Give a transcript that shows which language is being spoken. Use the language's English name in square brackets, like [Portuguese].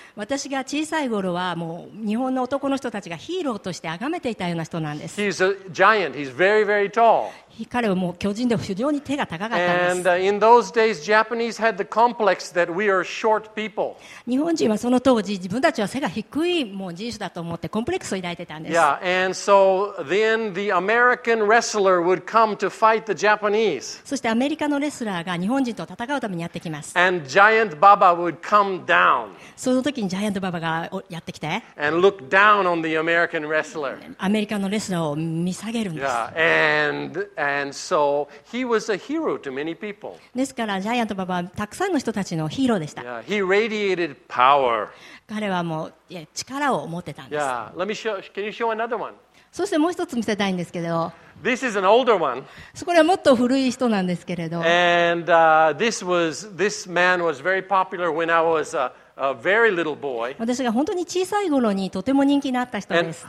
[Japanese] 私が小さい頃はもう日本の男の人たちがヒーローとして崇めていたような人なんです。 [English] He's a giant. He's very, very tall. [Japanese] 彼はもう巨人で非常に手が高かったんです。 [English] And in those days, Japanese had the complex that we are short people. [Japanese] 日本人はその当時自分たちは背が低いもう人種だと思ってコンプレックスを抱いてたんです。 [English] Yeah, and so then the American wrestler would come to fight the Japanese. [Japanese] そしてアメリカのレスラーが日本人と戦うためにやってきます。 [English] And Giant Baba would come down. [Japanese] その時ジャイアントババがやってきて、 [English] and look down on the American wrestler. [Japanese] アメリカのレスラーを見下げるんです。 [English] Yeah. And so he was a hero to many people. [Japanese] ですからジャイアントババはたくさんの人たちのヒーローでした。 [English] Yeah. He radiated power. [Japanese] 彼はもう力を持ってたんです。 [English] Yeah. Let me show. Can you show another one? [Japanese] そしてもう一つ見せたいんですけど、 [English] This is an older one. [Japanese] これはもっと古い人なんですけれど、 [English] and this man was very popular when I was a very little boy. [Japanese] 私が本当に小さい頃にとても人気のあった人です。